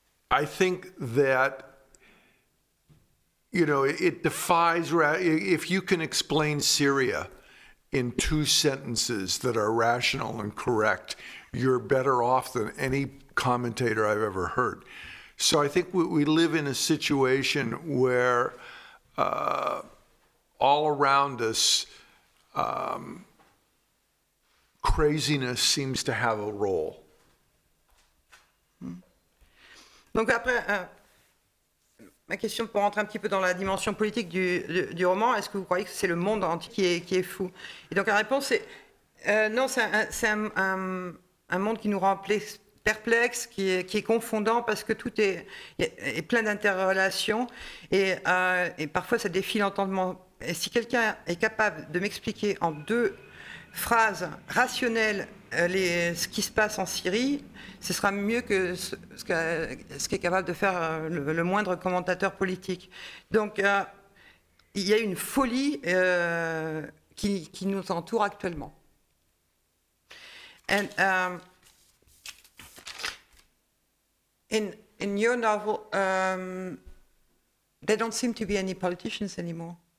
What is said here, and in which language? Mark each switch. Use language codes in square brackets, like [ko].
[en] I think that, you know, it defies, if you can explain Syria in two sentences that are rational and correct, you're better off than any commentator I've ever heard. So I think we live in a situation where all around us, craziness seems to have a role. [fr] Donc après, ma question pour entrer un petit peu dans la dimension politique du roman, est-ce que vous croyez que c'est le monde entier qui est fou? Et donc la réponse est non, c'est un monde qui nous rend perplexe, qui est confondant parce que tout est plein d'interrelations et parfois ça défie l'entendement. Et si quelqu'un est capable de m'expliquer en deux phrases rationnelles ce qui se passe en Syrie, ce sera mieux que ce qu'est capable de faire le moindre commentateur politique. Donc, il y a une folie qui nous entoure actuellement. [en] And in your novel, there don't seem to be any politicians anymore.